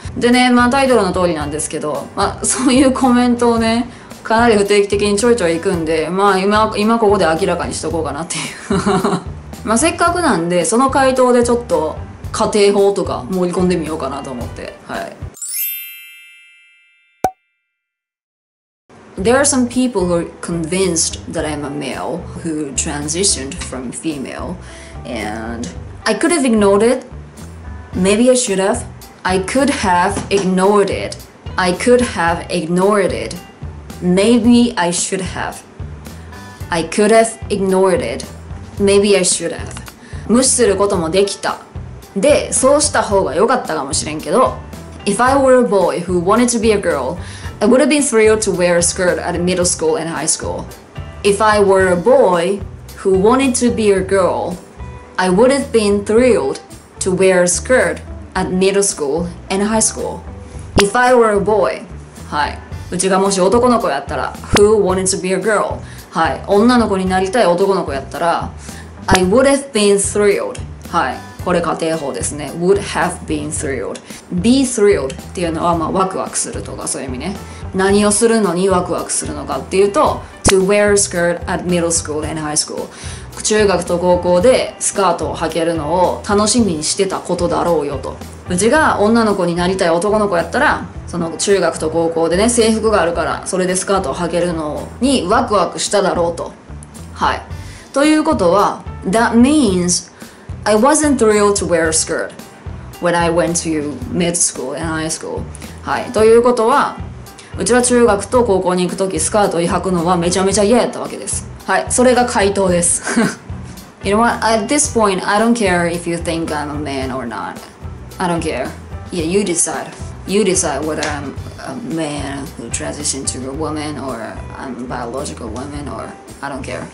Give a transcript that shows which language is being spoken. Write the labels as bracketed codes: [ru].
[ja] でね、まあタイトルの通りなんですけど、まあそういうコメントをね、かなり不定期的にちょいちょい行くんで、まあ今ここで明らかにしとこうかなっていう。まあせっかくなんで、その回答でちょっと仮定法とか盛り込んでみようかなと思って、はい。 [en] There are some people who are convinced that I'm a male who transitioned from female, and I could have ignored it. Maybe I should have. I could have ignored it. I could have ignored it. Maybe I should have. I could have ignored it. Maybe I should have. [ja] 無視することもできた。で、そうした方が良かったかもしれんけど。 [en] If I were a boy who wanted to be a girl,I would have been thrilled to wear a skirt at middle school and high school. If I were a boy who wanted to be a girl, I would have been thrilled to wear a skirt at middle school and high school. If I were a boy, [ja] はい、うちがもし男の子やったら、 [en] who wanted to be a girl, [ja] はい、女の子になりたい男の子やったら、 [en] I would have been thrilled, [ja] はい、これ仮定法ですね。 [en] Would have been thrilled. Be thrilled [ja] っていうのは、まあ、ワクワクするとかそういう意味ね。何をするのにワクワクするのかっていうと、 [en] To wear a skirt at middle school and high school. [ja] 中学と高校でスカートを履けるのを楽しみにしてたことだろうよと。うちが女の子になりたい男の子やったら、その中学と高校でね、制服があるから、それでスカートを履けるのにワクワクしただろうと。はい。ということは、 [en] That means,I wasn't thrilled to wear a skirt when I went to mid school and high school. [ja] はい。ということは、うちは中学と高校に行くとき、スカートを履くのはめちゃめちゃ嫌やったわけです。はい。それが回答です。 [en] You know what? At this point, I don't care if you think I'm a man or not. I don't care. Yeah, you decide. You decide whether I'm a man who transitioned to a woman or I'm a biological woman or I don't care.